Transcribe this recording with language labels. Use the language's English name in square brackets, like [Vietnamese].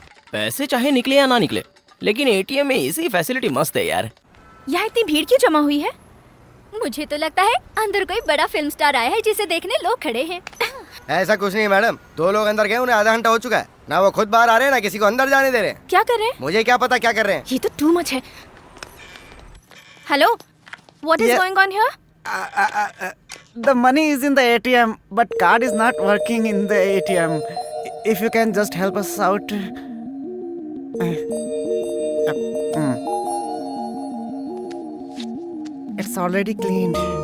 [Hindi] पैसे चाहे निकले या ना निकले, लेकिन ATM में इसी फैसिलिटी मस्त है यार। यहाँ इतनी भीड़ क्यों जमा हुई है? मुझे तो लगता है अंदर कोई बड़ा फिल्म स्टार आया है जिसे देखने लोग खड़े हैं। ऐसा कुछ नहीं मैडम, दो लोग अंदर गए, उन्हें आधा घंटा हो चुका है, ना वो खुद बाहर आ रहे हैं ना किसी को अंदर जाने दे रहे हैं। क्या कर रहे हैं? मुझे क्या पता क्या कर रहे हैं, ये तो टू मच है। [English] Hello, what is going on here? The money is in the ATM but card is not working in the ATM, if you can just help us out. It's already cleaned.